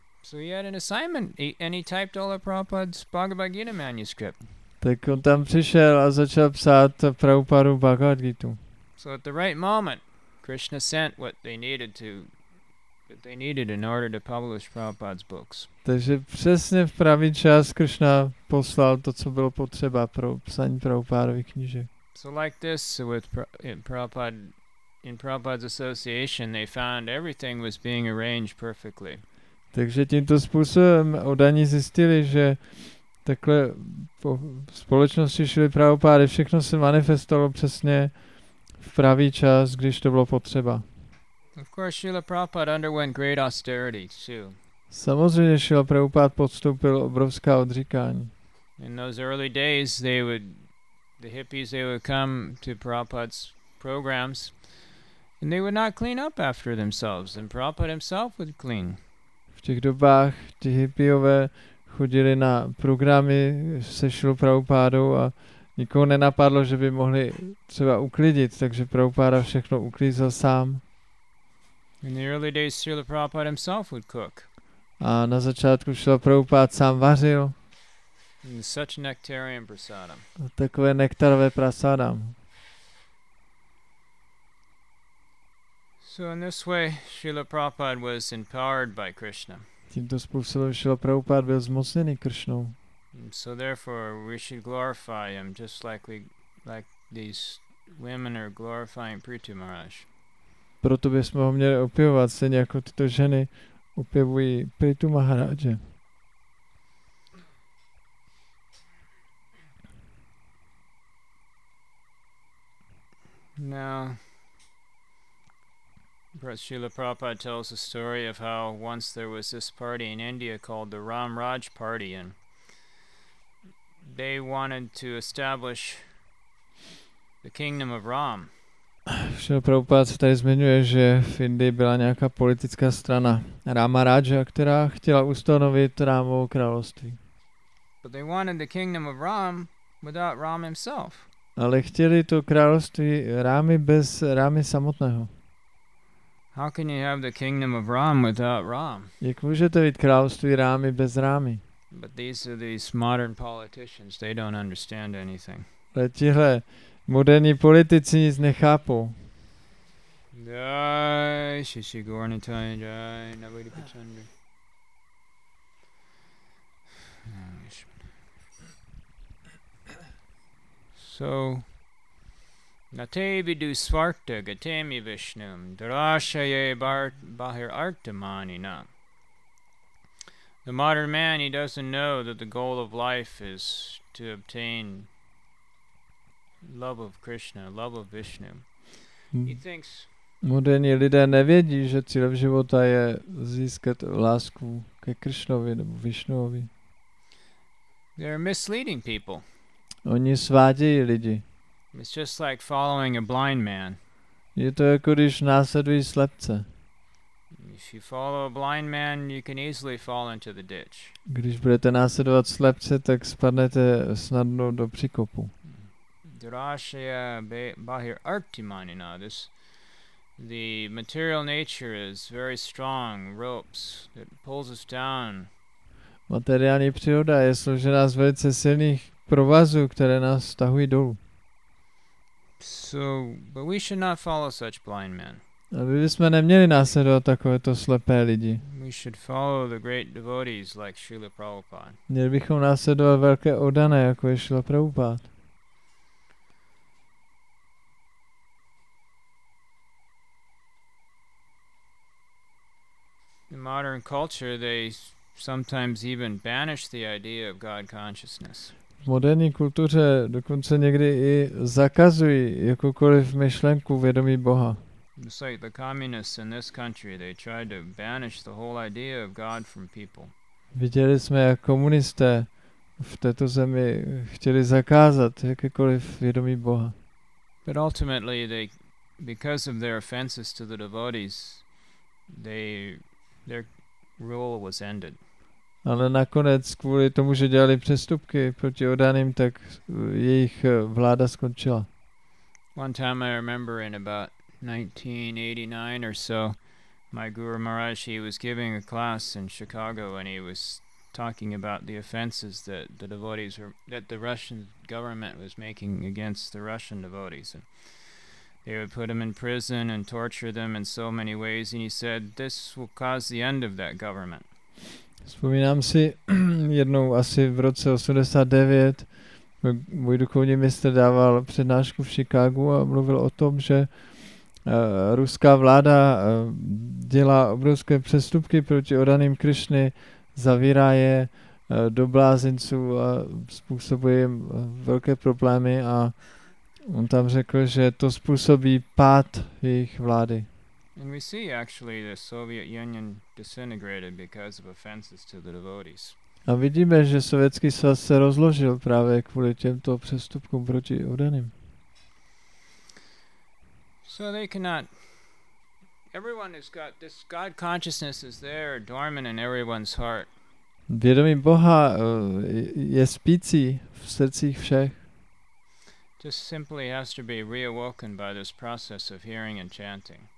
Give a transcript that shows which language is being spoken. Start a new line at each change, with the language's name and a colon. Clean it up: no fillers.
English: So he had an assignment and he typed all of Prabhupada's Bhagavad Gita manuscript.
Czech: Tak on tam přišel a začal psát Prabhupadu Bhagavad Gitu.
English: So at the right moment, Krishna sent what they needed to that they needed in order to publish Prabhupada's books.
Czech: Takže přesně v pravý čas Krishna poslal to, co bylo potřeba pro psaní Prabhupádovy knížek.
English: So like this, with in Prabhupada's association, they found everything was being arranged perfectly.
Czech: Takže tímto způsobem oddaní zjistili, že takhle po společnosti šli Prabhupáda, všechno se manifestovalo přesně v pravý čas, když to bylo potřeba.
English: Of course, Srila Prabhupada underwent great austerity too.
Czech: Samozřejmě Srila Prabhupada podstoupil obrovská odříkání.
English: In those early days, the hippies would come to Prabhupada's programs, and they would not clean up after themselves, and Prabhupada himself would clean.
Czech: V těch dobách ti hippiové chodili na programy se Srila Prabhupádou a nikoho nenapadlo, že by mohli třeba uklidit, takže Prabhupáda všechno uklízel sám.
English: In the early days, Srila Prabhupada himself would cook.
Czech: A na začátku Srila Prabhupada sám vařil.
English: And such nectarian prasadam.
Czech: A takové nektarové prasadam.
English: So in this way, Srila Prabhupada was empowered by Krishna.
Czech: Tímto způsobem Srila Prabhupada byl zmocněný Krishnou.
English: So therefore, we should glorify him just like these women are glorifying Prithu Maharaj.
Czech: Proto bychom ho měli opěvovat, stejně jako tyto ženy opěvují Prithu Maharaje.
English: Now, Srila Prabhupada tells a story of how once there was this party in India called the Ram Raj Party, and they wanted to establish the kingdom of Ram.
Czech: Srila Prabhupada se tady zmiňuje, že v Indii byla nějaká politická strana Rama Raja, která chtěla ustanovit Rámovo království.
English: But they wanted the kingdom of Ram without Ram himself.
Czech: Ale chtěli to království Rámy bez Rámy samotného.
English: How can you have the kingdom of Ram without Ram?
Czech: Jak můžete mít království Rámy bez Rámy?
English: But these modern politicians, they don't understand anything.
Czech: Ale tihle moderní politici nic nechápou. Jai, Shishi Gornitai, Jai, Navadi Pachandri.
Sanskrit: So, Natevi du Svarta Gatemi Vishnum Drashaye Bahir Artamanina.
English: The modern man, he doesn't know that the goal of life is to obtain love of Krishna, love of Vishnu. He thinks.
Czech: Moderní lidé nevědí, že cílem života je získat lásku ke Krishnovi nebo Vishnuovi.
English: They're misleading people.
Czech: Oni svádějí lidi.
English: It's just like following a blind man.
Czech: Je to jako když následují slepce.
English: If you follow a blind man, you can easily fall into the ditch.
Czech: Když budete následovat slepce, tak spadnete snadno do příkopu.
Sanskrit: Drashaya bahir artimanina.
English: This, the material nature is very strong ropes that pulls us down.
Czech: Materiální příroda je složená z velice silných provazu, které nás stahují dolů.
English: So, but we should not follow such blind men.
Czech: Aby bychom neměli následovat takovéto slepé lidi.
English: We should follow the great devotees like Srila Prabhupada.
Czech: Měli bychom následovat velké oddané, jako je Srila Prabhupada.
English: In modern culture, they sometimes even banish the idea of God consciousness.
Czech: V moderní kultuře dokonce někdy i zakazují jakoukoliv myšlenku vědomí Boha.
English: Like the communists in this country, they tried to banish the whole idea of God from people.
Czech: Viděli jsme, jak komunisté v této zemi chtěli zakázat jakékoliv vědomí Boha.
English: But ultimately, they, because of their offenses to the devotees, their rule was ended.
Czech: Ale nakonec kvůli tomu, že dělali přestupky proti oddaným, tak jejich vláda skončila.
English: One time I remember in about 1989 or so, my Guru Maharaj, he was giving a class in Chicago and he was talking about the offenses that the devotees were, that the Russian government was making against the Russian devotees. And they would put them in prison and torture them in so many ways, and he said, this will cause the end of that government.
Czech: Vzpomínám si jednou asi v roce 89, můj duchovní mistr dával přednášku v Chicagu a mluvil o tom, že ruská vláda dělá obrovské přestupky proti oddaným Krišny, zavírá je do blázinců a způsobuje jim velké problémy a on tam řekl, že to způsobí pád jejich vlády.
English: And we see actually the Soviet Union disintegrated because of offenses to the devotees.
Czech: A vidíme, že Sovětský svaz se rozložil právě kvůli těmto přestupkům proti oddaným.
English: So they cannot. Everyone has got this God consciousness is there dormant in everyone's heart.
Czech: Vědomí Boha je spící v srdcích všech.
English: Just simply has to be reawoken by this process of hearing and chanting.